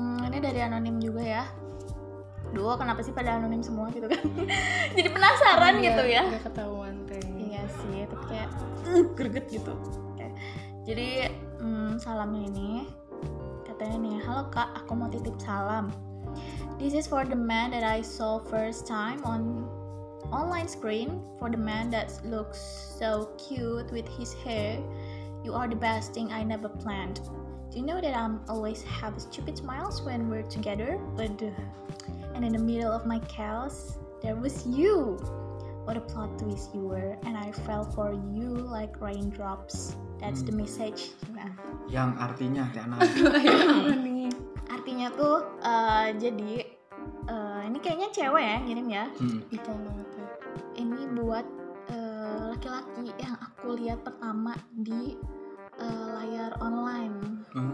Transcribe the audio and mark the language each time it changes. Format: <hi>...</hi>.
<id>Ini dari anonim juga ya. Duh, kenapa sih pada anonim semua gitu kan? Jadi penasaran gitu ya. Gak ketahuan teh. Iya sih, tapi kayak greget gitu. Oke. Jadi, salamnya ini katanya nih, "Halo Kak, aku mau titip salam.</id> <en>This is for the man that I saw first time on online screen, for the man that looks so cute with his hair. You are the best thing I never planned. Do you know that I'm always have stupid smiles when we're together, but and in the middle of my chaos, there was you. What a plot twist you were, and I fell for you like raindrops. That's the message."</en> <id>Yang artinya, artinya tuh jadi ini kayaknya cewek ya ngirim ya. Betul banget. Ini buat laki-laki yang aku lihat pertama di layar online.</id>